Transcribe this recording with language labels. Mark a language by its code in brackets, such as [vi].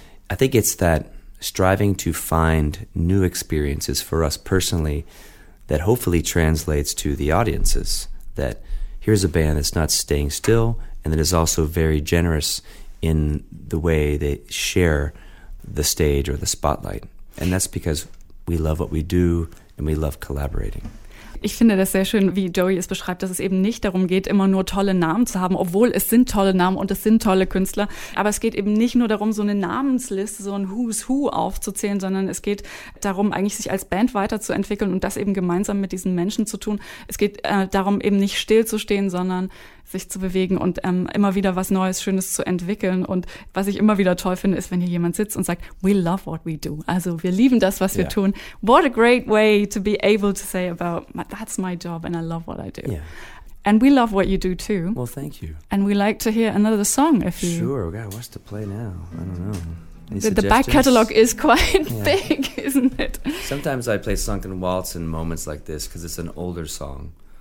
[en] I think it's that striving to find new experiences for us personally that hopefully translates to the audiences, that here's a band that's not staying still and that is also very generous in the way they share the stage or the spotlight. And that's because we love what we do and we love collaborating. [de] Ich finde das sehr schön, wie Joey es beschreibt, dass es eben nicht darum geht, immer nur tolle Namen zu haben, obwohl es sind tolle Namen und es sind tolle Künstler. Aber es geht eben nicht nur darum, so eine Namensliste, so ein Who's Who aufzuzählen, sondern es geht darum, eigentlich sich als Band weiterzuentwickeln und das eben gemeinsam mit diesen Menschen zu tun. Es geht darum, eben nicht stillzustehen, sondern sich zu bewegen und immer wieder was Neues, Schönes zu entwickeln. Und was ich immer wieder toll finde, ist, wenn hier jemand sitzt und sagt, [en] we love what we do. [de] Also wir lieben das, was wir tun. [en] What a great way to be able to say about, that's my job and I love what I do. Yeah. And we love what you do too. Well, thank you. And we like to hear another song if you... Sure, God, what's to play now? I don't know. The back catalog is quite big, isn't it? Sometimes I play Sunken Waltz in moments like this because it's an older song.